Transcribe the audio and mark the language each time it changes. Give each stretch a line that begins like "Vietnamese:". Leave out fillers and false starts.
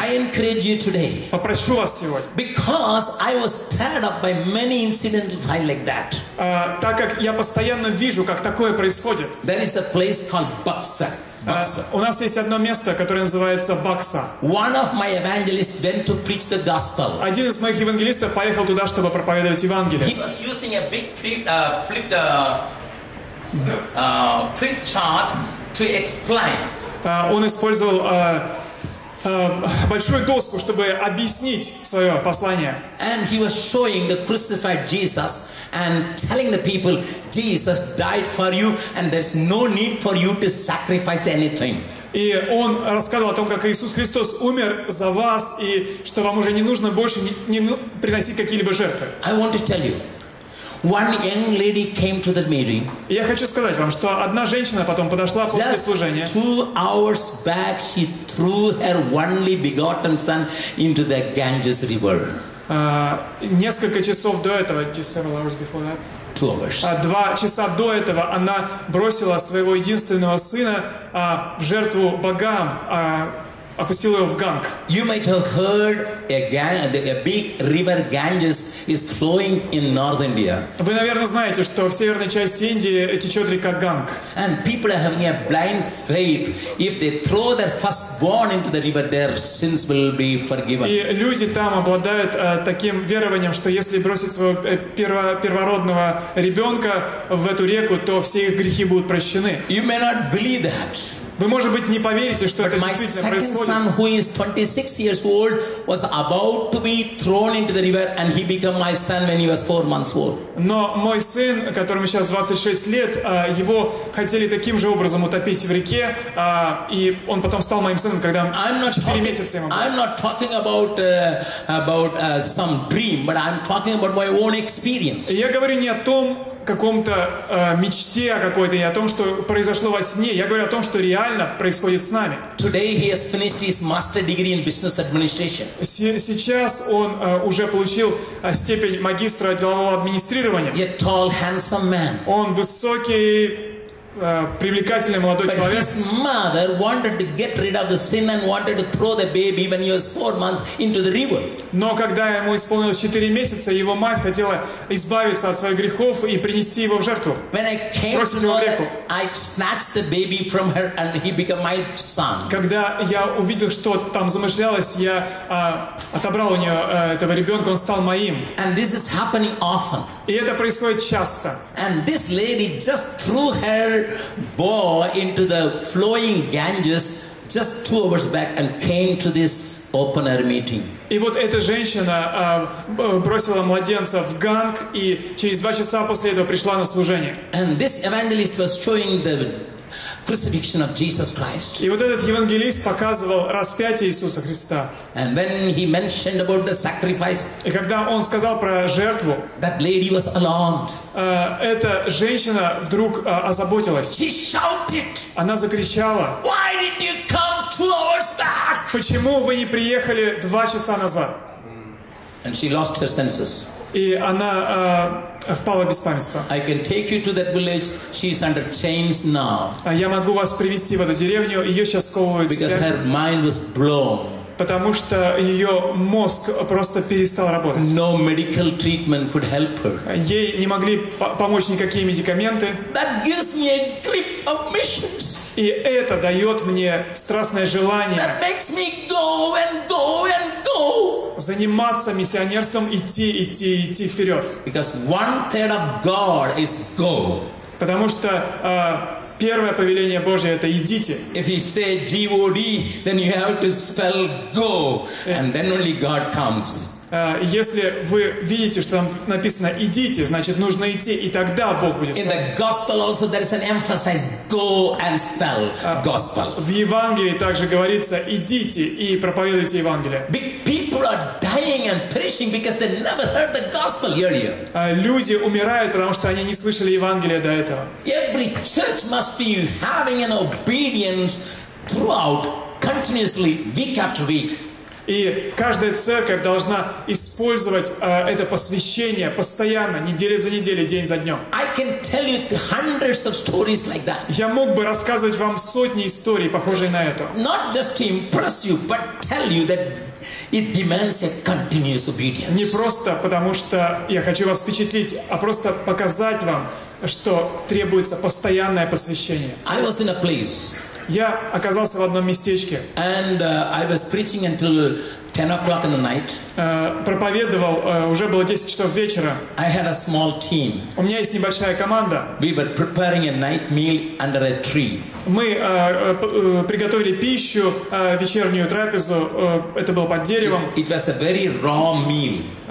English: I encourage you today.
Russian: Попрошу вас сегодня.
English: Because I was stirred up by many incidents like that.
Russian: Так как я постоянно вижу, как такое происходит.
English: There is a place called Baksa.
Russian: У нас есть одно место, которое называется Бакса.
English: One of my evangelists went to preach the gospel.
Russian: Один из моих евангелистов поехал туда, чтобы проповедовать Евангелие.
English: He was using a big flip chart to explain.
Russian: Он использовал большую доску, чтобы объяснить свое послание.
English: And he was showing the crucified Jesus and telling the people, Jesus died for you and there's no need for you to sacrifice anything.
Russian: И он рассказывал о том, как Иисус Христос умер за вас и что вам уже не нужно больше приносить какие-либо жертвы.
English: I want to tell you, one young lady came to the meeting.
Russian: Я хочу сказать вам, что одна женщина потом подошла после служения.
English: Just 2 hours back, she threw her only begotten son into the Ganges River.
Russian: Несколько часов до этого,
English: just several hours before that. 2 hours.
Russian: 2 часа до этого она бросила своего единственного сына в жертву богам, опустила его в Ганг.
English: You might have heard a big river Ganges is flowing in North India.
Russian: Вы, наверное, знаете, что в северной части Индии течет река Ганг.
English: And people are having a blind faith. If they throw their firstborn into the river, their sins will be forgiven.
Russian: И люди там обладают таким верованием, что если бросить своего первородного ребенка в эту реку, то все их грехи будут прощены.
English: You may not believe that.
Russian: Вы, может быть, не поверите, что это действительно происходит.
English: My second son, who is 26 years old, was about to be thrown into the river, and he became my son when he was 4 months old.
Russian: Но мой сын, которому сейчас 26 лет, его хотели таким же образом утопить в реке, и он потом стал моим сыном, когда 4 месяца ему было.
English: I'm not talking about some dream, but I'm talking about my own experience.
Russian: Я говорю не о том, каком-то мечте какой-то, не о том, что произошло во сне. Я говорю о том, что реально происходит с нами.
English: Today he has finished his master degree in business administration.
Russian: Сейчас он уже получил степень магистра делового администрирования.
English: A tall, handsome man.
Russian: Он высокий, привлекательный молодой
English: But
Russian: человек.
English: But his mother wanted to get rid of the sin and wanted to throw the baby when he was 4 months into the river.
Russian: Но когда ему исполнилось 4 месяца, его мать хотела избавиться от своих грехов и принести его в жертву.
English: When I came to know that, I snatched the baby from her and he became my son.
Russian: Когда я увидел, что там замышлялось, я отобрал у нее этого ребенка, он стал моим.
English: And this is happening often.
Russian: И это происходит часто.
English: And this lady just threw her bore into the flowing Ganges just 2 hours back and came to this open air meeting.
Russian: И вот эта женщина бросила младенца в Ганг и через 2 часа после этого пришла на служение.
English: And this evangelist was showing the crucifixion of Jesus Christ.
Russian: И вот этот евангелист показывал распятие Иисуса Христа.
English: And when he mentioned about the sacrifice,
Russian: и когда он сказал про жертву,
English: that lady was alarmed.
Russian: Эта женщина вдруг озаботилась.
English: She shouted.
Russian: Она закричала.
English: Why did you come 2 hours back?
Russian: Почему вы не приехали 2 часа назад?
English: And she lost her senses.
Russian: И она впала в беспамятство.
English: I can take you to that village. She is under chains now.
Russian: Я могу вас привести в эту деревню. Ее сейчас сковывают.
English: Because her mind was blown.
Russian: Потому что ее мозг просто перестал работать.
English: No medical treatment could help her.
Russian: Ей не могли помочь никакие медикаменты.
English: That gives me a grip of missions.
Russian: И это дает мне страстное желание.
English: That makes me go and go and go.
Russian: Заниматься миссионерством, идти, идти, идти вперед.
English: Because one third of God is go.
Russian: Потому что первое повеление Божье — это идите.
English: If you say G-O-D, then you have to spell go, and then only God comes.
Russian: Если вы видите, что там написано «идите», значит, нужно идти, и тогда Бог будет с вами.
English: In the gospel also there is an emphasis go and spell gospel.
Russian: В Евангелии также говорится «идите и проповедуйте Евангелие».
English: People are dying and perishing because they never heard the gospel earlier.
Russian: Люди умирают, потому что они не слышали Евангелие до этого.
English: Every church must be having an obedience throughout, continuously, week after week.
Russian: И каждая церковь должна использовать это посвящение постоянно, неделя за неделей, день за днем.
English: I can tell you hundreds of stories like that.
Russian: Я мог бы рассказывать вам сотни историй, похожие на эту.
English: Not just to impress you, but tell you that it demands a continuous obedience.
Russian: Не просто потому, что я хочу вас впечатлить, а просто показать вам, что требуется постоянное посвящение.
English: I was in a place.
Russian: Я оказался в одном местечке.
English: And I was preaching until 10 o'clock in the night.
Russian: Проповедовал, уже было 10 часов вечера.
English: I had a small team.
Russian: У меня есть небольшая команда.
English: We were preparing a night meal under a tree.
Russian: Мы приготовили пищу, вечернюю трапезу, это было под деревом.
English: It was a very raw meal.